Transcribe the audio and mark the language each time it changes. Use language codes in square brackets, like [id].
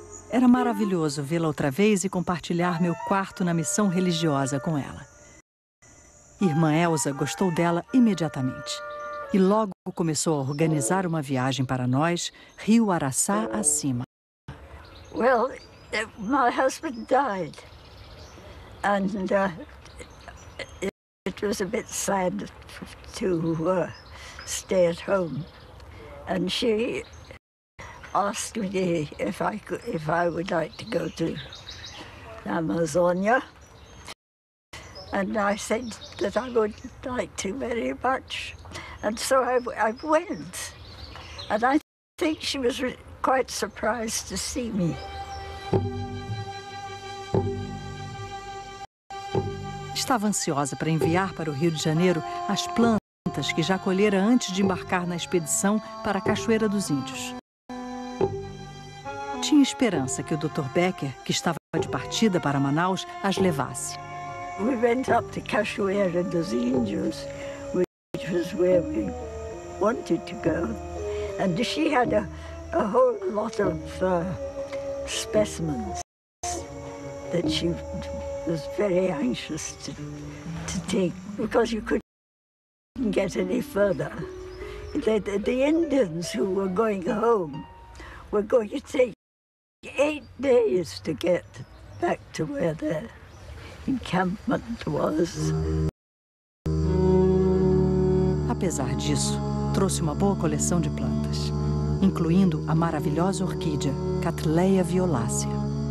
[pt] Era maravilhoso vê-la outra vez e compartilhar meu quarto na missão religiosa com ela. Irmã Elsa gostou dela imediatamente e logo começou a organizar uma viagem para nós, Rio Araçá acima. [en] Well, my husband died. And it was a bit sad to stay at home. And she asked me if I would like to go to Amazonia. And I said that I would like to very much. And so I went. And I think she was quite surprised to see me. [pt] Estava ansiosa para enviar para o Rio de Janeiro as plantas que já colhera antes de embarcar na expedição para a Cachoeira dos Índios. Tinha esperança que o Dr. Becker, que estava de partida para Manaus, as levasse. [en] We went up to Cachoeira dos Índios, which was where we wanted to go, and she had a whole lot of specimens that she was very anxious to take, because you couldn't get any further. The Indians who were going home were going to take 8 days to get back to where the encampment was. [pt] Apesar disso, trouxe uma boa coleção de plantas, incluindo a maravilhosa orquídea Cattleya violacea.